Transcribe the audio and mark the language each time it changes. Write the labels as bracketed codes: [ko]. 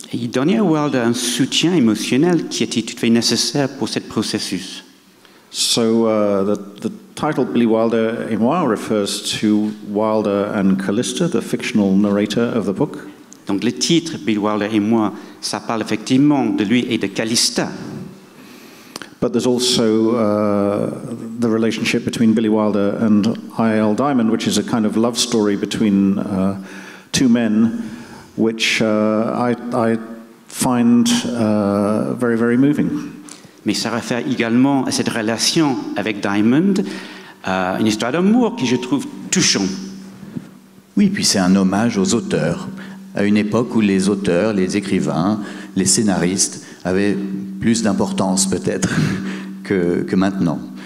[fr] Il donnait à Wilder un soutien émotionnel qui était tout à fait nécessaire pour ce processus. [en] So the title Billy Wilder et moi refers to Wilder and Callista, the fictional narrator of the book. [fr] Donc le titre Billy Wilder et moi, ça parle effectivement de lui et de Callista. [en] But there's also the relationship between Billy Wilder and I.L. Diamond, which is a kind of love story between two men, which I find very, very moving. [fr] Mais ça réfère également à cette relation avec Diamond, une histoire d'amour que je trouve touchant. Oui, puis c'est un hommage aux auteurs, à une époque où les auteurs, les écrivains, les scénaristes avaient plus d'importance peut-être que maintenant.